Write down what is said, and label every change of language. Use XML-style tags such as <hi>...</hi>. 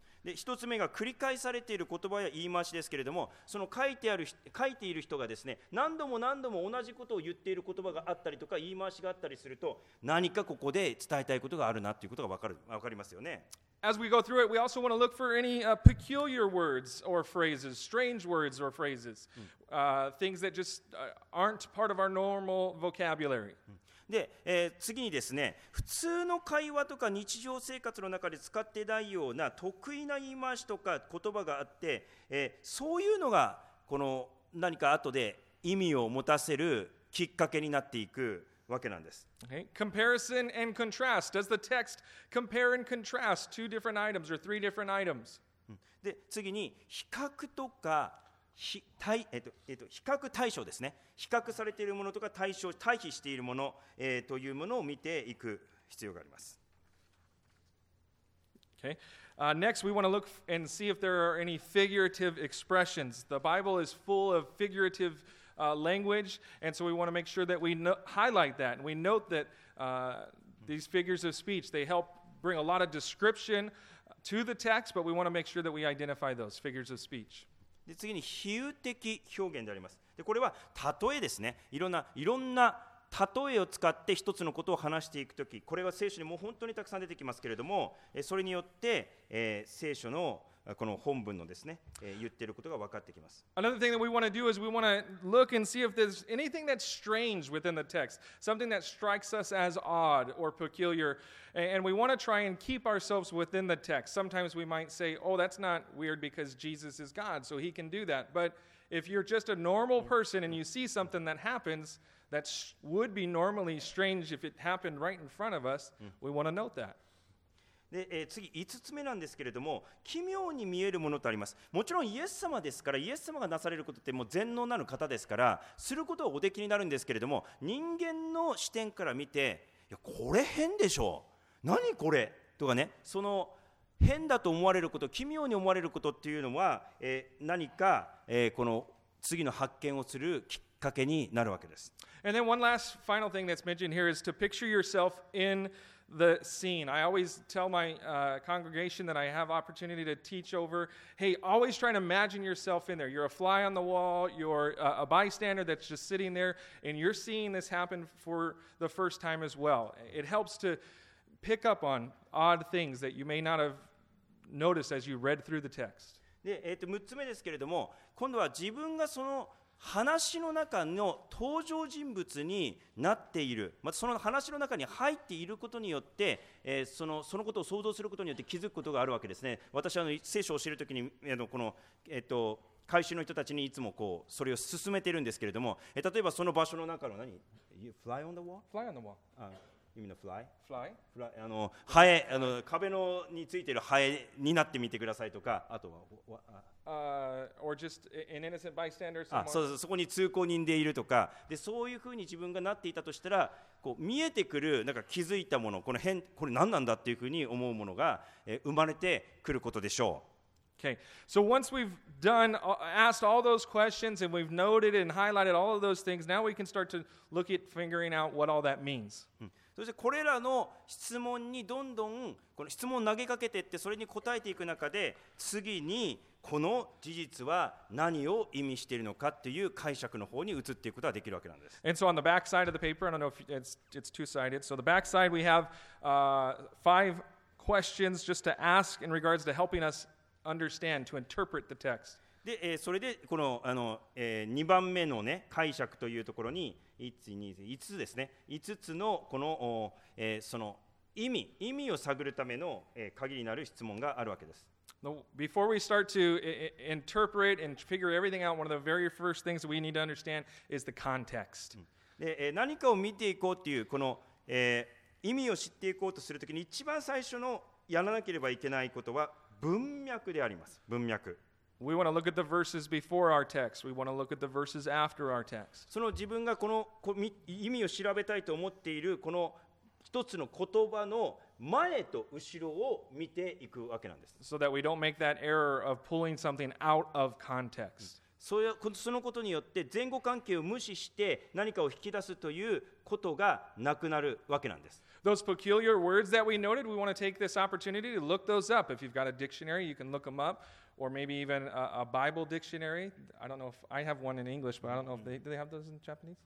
<ja>で、一つ目が繰り返されている言葉や言い回しですけれども、その書いてある、書いている人がですね、何度も何度も同じことを言っている言葉があったりとか言い回しがあったりすると、何かここで伝えたいことがあるなということが分かりますよね。</ja> <en>As we go through it, we also want to look for any peculiar words or phrases, strange words or phrases, things that just aren't part of our normal vocabulary.</en> <ja>で、次にですね、普通の会話とか日常生活の中で使ってないような得意な言い回しとか言葉があって、そういうのがこの何か後で意味を持たせるきっかけになっていく。わけなんです。</ja> <en>Okay. Comparison and contrast. Does the text compare and contrast two different items or three different items?</en> <ja>で、次に比較とか比較対象ですね。比較されているものとか対象、対比しているもの、というものを見ていく必要があります。</ja> <en>Okay. Next, we want to look and see if there are any figurative expressions. The Bible is full of figurative expressionsLanguage, and so we want to make sure that we highlight that, and we note that these figures of speech, they help bring a lot of description to the text, but we want to make sure that we identify those figures of speech.</en> <ja>で次に比喩的表現であります。でこれは例えですね。いろんな例えを使って一つのことを話していくとき、これは聖書にもう本当にたくさん出てきますけれども、それによって、聖書のこの本文のですね、言っていることが分かってきます。</ja> <en>Another thing that we want to do is we want to look and see if there's anything that's strange within the text, something that strikes us as odd or peculiar, and we want to try and keep ourselves within the text. Sometimes we might say, oh, that's not weird because Jesus is God, so he can do that. But if you're just a normal person and you see something that happens that would be normally strange if it happened right in front of us, we want to note that.</en> <ja>で次5つ目なんですけれども、奇妙に見えるものとあります。もちろんイエス様ですから、イエス様がなされることってもう全能なる方ですから、することはおできになるんですけれども、人間の視点から見て、いやこれ変でしょ、何これとかね、その変だと思われること、奇妙に思われることっていうのは、何か、この次の発見をするきっかけになるわけです。</ja> <en>And then one last final thing that's mentioned here is to picture yourself in the scene. I always tell my congregation that I have opportunity to teach over, hey, always try to imagine yourself in there. You're a fly on the wall, you're a bystander that's just sitting there, and you're seeing this happen for the first time as well. It helps to pick up on odd things that you may not have noticed as you read through the text.</en> <ja>で、6つ目ですけれども、今度は自分がその話の中の登場人物になっている、まあ、その話の中に入っていることによって、そのことを想像することによって気づくことがあるわけですね。私は聖書を教えるときに、この、会衆の人たちにいつもこうそれを進めているんですけれども、例えばその場所の中の何</ja> <en>you fly on the wall? Fly on the wall. You mean the fly? Fly? Fly?</en> <ja>ハエ、壁のについているハエになってみてくださいとか、あとは、</ja> <en>or just an innocent bystander</en> <ja>あ、そうそう、そこに通行人でいるとか、で、そういうふうに自分がなっていたとしたら、こう見えてくるなんか気づいたもの、この変、これ何なんだっていうふうに思うものが、生まれてくることでしょう。</ja> <en>Okay, so once we've done, asked all those questions and we've noted and highlighted all of those things, now we can start to look at figuring out what all that means.、う</en> <ja>んそしてこれらの質問にどんどんこの質問を投げかけていってそれに答えていく中で次にこの事実は何を意味しているのかという解釈の方に移っていくことができるわけなんです。</ja> <en>And so on the back side of the paper, I don't know if it's two-sided, so the back side we have five questions just to ask in regards to helping us understand, to interpret the text.</en> <ja>でそれでこの2番目の、ね、解釈というところに 5つですね5つのこの、その意味を探るための、限りなる質問があるわけです。</ja> <en>Before we start to interpret and figure everything out, one of the very first things we need to understand is the context.</en> <ja>で何かを見ていこうというこの、意味を知っていこうとするときに一番最初のやらなければいけないことは文脈であります。文脈。</ja> <en>We want to look at the verses before our text. We want to look at the verses after our text.</en> <ja>その自分がこの意味を調べたいと思っているこの一つの言葉の前と後ろを見ていくわけなんです。</ja> <en>So that we don't make that error of pulling something out of context.</en> <ja>そのことによって前後関係を無視して何かを引き出すということがなくなるわけなんです。</ja> <en>Those peculiar words that we noted, we want to take this opportunity to look those up. If you've got a dictionary, you can look them up. Or maybe even a Bible dictionary. I don't know if I have one in English, but I don't know if they do they have those in Japanese.</en>